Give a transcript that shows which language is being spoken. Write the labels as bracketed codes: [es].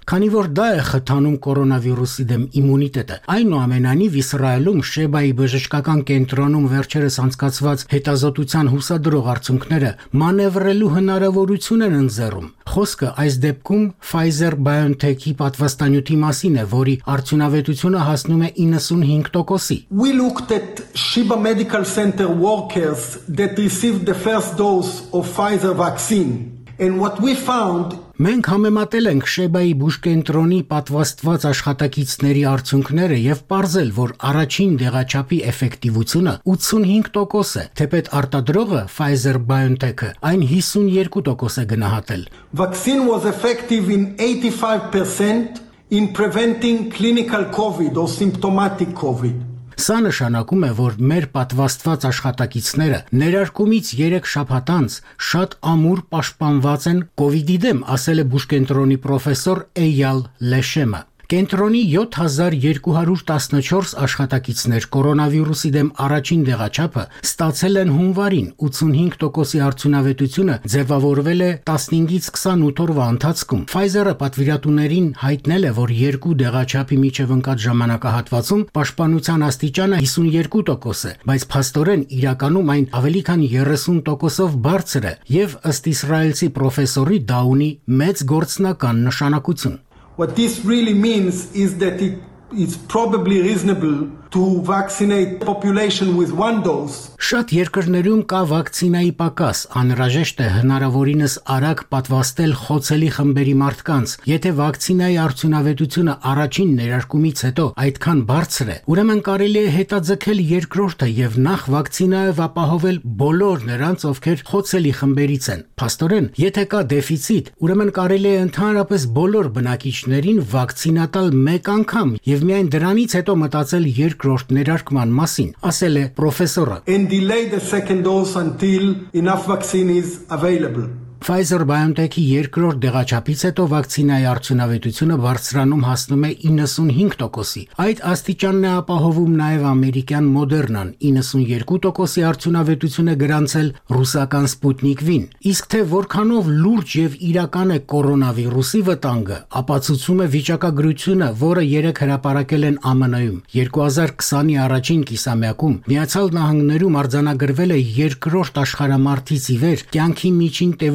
[hy] քանի որ դա է խթանում կորոնավիրուսի դեմ իմունիտետը։ Այնուամենայնիվ Իսրայելում Շեբայի բժշկական կենտրոն նոմ վերջերս անցկացված հետազոտության հուսադրող արդյունքները մանևրելու հնարավորություն են ընձեռում։ Խոսքը այս դեպքում Pfizer BioNTech-ի պատվաստանյութի մասին է, որի արդյունավետությունը հասնում է 95%-ի։ [en] We looked at Shiba Medical Center workers that received the first dose of Pfizer vaccine and what we found. [hy] Մենք համեմատել ենք Շեբայի բուժկենտրոնի պատվաստված աշխատակիցների արդյունքները եւ պարզել, որ առաջին դեղաչափի էֆեկտիվությունը 85% է, թեպետ արտադրողը Pfizer BioNTech-ը այն 52% է գնահատել։ [en] Vaccine was effective in 85% in preventing clinical COVID or symptomatic COVID. [hy] Սա նշանակում է, որ մեր պատվաստված աշխատակիցները ներարկումից 3 շաբաթ անց շատ ամուր պաշտպանված են COVID-ի դեմ, ասել է բուժկենտրոնի պրոֆեսոր Էյալ Լեշեմը։ Կենտրոնի 7214 աշխատակիցներ կորոնավիրուսի դեմ առաջին դեղաչափը ստացել են հունվարին, 85%-ի արդյունավետությունը ձևավորվել է 15-ից 28 օրվա ընթացքում։ Pfizer-ը պատվիրատուներին հայտնել է, որ երկու դեղաչափի միջև ընկած ժամանակահատվածում պաշտպանության աստիճանը 52% է, բայց փաստորեն իրականում այն ավելի քան 30%-ով բարձր է, և ըստ իսրայելցի պրոֆեսորի Դաունի մեծ գործնական նշանակություն։ [en] What this really means is that it is probably reasonable to vaccinate population with one dose. [hy] Շատ երկրներում կա վակցինայի պակաս, անհրաժեշտ է հնարավորինս արագ պատվաստել խոցելի խմբերի մարդկանց, եթե վակցինայի արդյունավետությունը առաջին ներարկումից հետո այդքան բարձր է, ուրեմն կարելի է հետաձգել երկրորդը եւ նախ վակցինայով ապահովել բոլոր նրանց, ովքեր խոցելի խմբերից են։ Փաստորեն, եթե կա դեֆիցիտ, ուրեմն կարելի է ընդհանրապես բոլոր բնակիչներին վակցինա տալ մեկ անգամ եւ միայն դրանից հետո մտածել երկրորդ ներարկման մասին, ասել է պրոֆեսորը։ [en] And delay the second dose until enough vaccine is available. [hy] Pfizer BioNTech-ի երկրորդ դեղաչափից հետո վակցինայի արդյունավետությունը բարձրանում հասնում է 95%-ի։ Այդ աստիճանն է ապահովում նաև ամերիկյան Moderna-ն, 92%-ի արդյունավետությունը գրանցել ռուսական Sputnik V-ն։ Իսկ թե որքանով լուրջ եւ իրական է կորոնավիրուսի վտանգը, ապացուցում է վիճակագրությունը, որը երեք հրապարակել են ԱՄՆ-ում 2020-ի առաջին կիսամյակում։ Միացյալ Նահանգներում արձանագրվել է երկրորդ աշխարհամարտից ի վեր կյանքի միջին